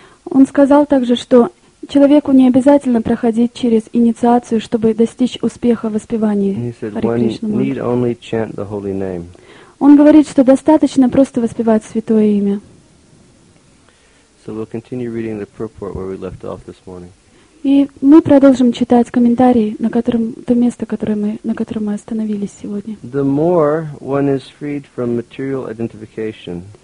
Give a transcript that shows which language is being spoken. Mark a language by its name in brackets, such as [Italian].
[Russian] Он сказал также, что человеку не обязательно проходить через инициацию, чтобы достичь успеха в воспевании Харе Кришны. Он говорит, что достаточно просто воспевать святое имя. [English] So we'll continue reading the purport where we left off this morning. [Russian] И мы продолжим читать комментарии, на котором то место, которое мы, на котором мы остановились сегодня. [English] The more one is freed from material identification.